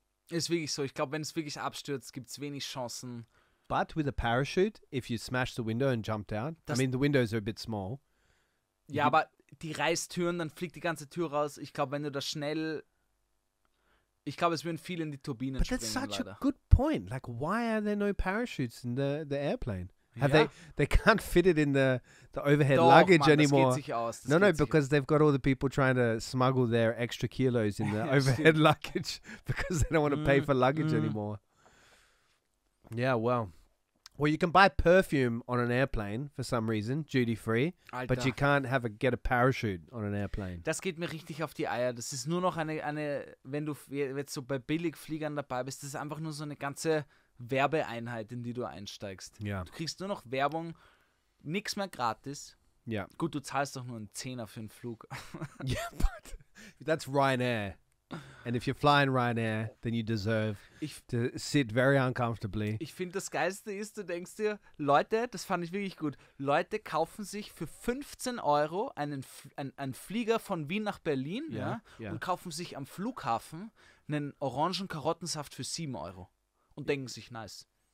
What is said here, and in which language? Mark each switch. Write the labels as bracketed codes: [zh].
[de] Ist wirklich so. Ich glaube, wenn es wirklich abstürzt, gibt es wenig Chancen. [en] But with a parachute, if you smash the window and jump down, I mean, the windows are a bit small. [de] Ja, aber die Reißtüren, dann fliegt die ganze Tür raus. Ich glaube, wenn du das schnell... Ich glaube, es würden viele in die Turbinen springen, leider. [en] But that's such a good point. Like, why are there no parachutes in the airplane? Have they can't fit it in the overhead [de] Doch, [en] luggage [de] Mann, [en] anymore. [de] Das geht sich aus. [en] No, because they've got all the people trying to smuggle their extra kilos in the overhead luggage because they don't want to pay for luggage anymore. Yeah, well, you can buy perfume on an airplane for some reason, duty free, [de] Alter. [en] But you can't get a parachute on an airplane. [de] Das geht mir richtig auf die Eier. Das ist nur noch eine wenn du jetzt so bei Billigfliegern dabei bist, das ist einfach nur so eine ganze Werbeeinheit, in die du einsteigst. [en] Yeah. [de] Du kriegst nur noch Werbung, nichts mehr gratis. [en] Yeah. [de] Gut, du zahlst doch nur einen Zehner für einen Flug. [en] Yeah, but that's Ryanair. And if you're flying Ryanair, then you deserve to sit very uncomfortably. [de] Ich finde, das Geilste ist, du denkst dir, Leute, das fand ich wirklich gut, Leute kaufen sich für 15 Euro einen Flieger von Wien nach Berlin und kaufen sich am Flughafen einen Orangen-Karottensaft für 7 Euro und denken sich, nice.